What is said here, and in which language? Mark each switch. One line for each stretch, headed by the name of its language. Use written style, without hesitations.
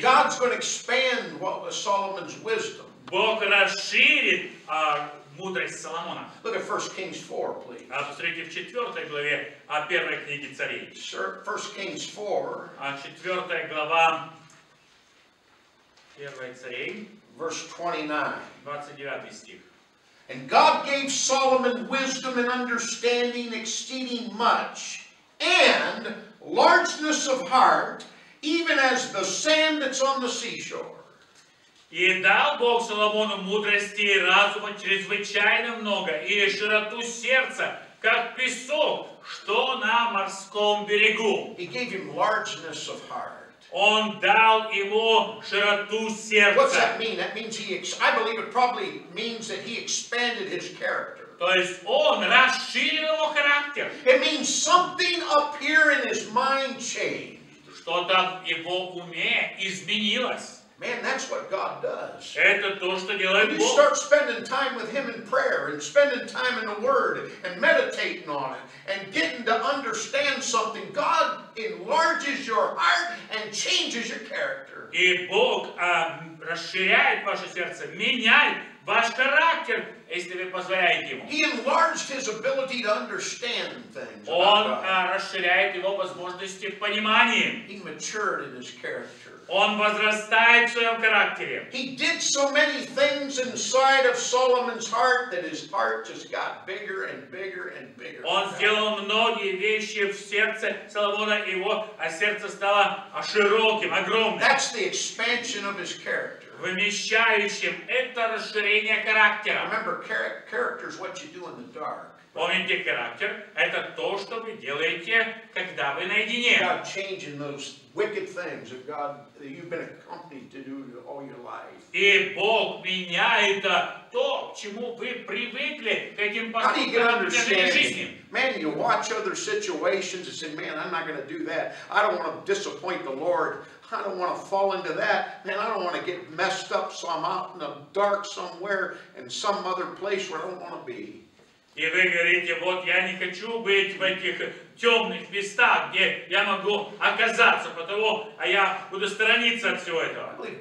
English: God's going to expand what was Solomon's wisdom.
Russian: Бог расширит мудрость Соломона.
English: Look at 1 Kings 4, please.
Russian: А посмотрите в 4 главе о первой книге царей.
English: 1 Kings 4.
Russian: А 4 глава первой царей.
English: Verse 29.
Russian: 29 стих.
English: And God gave Solomon wisdom and understanding exceeding much, and largeness of heart, even as the sand that's on the seashore.
Russian: И дал Бог Соломону мудрости и разума чрезвычайно много, и широту сердца, как песок, что на морском берегу.
English: He gave him largeness of heart.
Russian: Он дал ему широту сердца.
English: What's that mean? That means I believe it probably means that he expanded his character.
Russian: То есть он расширил его характер.
English: It means something up here in his mind changed.
Russian: Что-то в его уме изменилось.
English: Man, that's what God does.
Russian: Это то, что делает Бог.
English: When you start spending time with Him in prayer, and spending time in the Word, and meditating on it, and getting to understand something, God enlarges your heart and changes your character.
Russian: И Бог расширяет ваше сердце, меняет ваш характер, если вы позволяете Ему.
English: He enlarged His ability to understand things.
Russian: Он расширяет Его возможности в понимании.
English: He matured in His character.
Russian: Он возрастает в своем характере.
English: He did so many things inside of Solomon's heart that his heart just got bigger and bigger and bigger.
Russian: Он сделал многие вещи в сердце Соломона, и его сердце стало широким, огромным.
English: That's the expansion of his character.
Russian: Вмещающим. Это расширение характера.
English: Remember, character is what you do in the dark.
Russian: Помните, характер – это то, что вы делаете, когда вы наедине.
English: God changing those wicked things that God that you've been accompanied to do all your life.
Russian: И Бог меняет то, к чему вы привыкли, к этим поступкам в этой жизни.
English: Man, you watch other situations and say, man, I'm not going to do that. I don't want to disappoint the Lord. I don't want to fall into that. Man, I don't want to get messed up so I'm out in the dark somewhere in some other place where I don't want to be.
Russian: И вы говорите, вот я не хочу быть в этих темных местах, где я могу оказаться, потому что я буду сторониться от всего этого.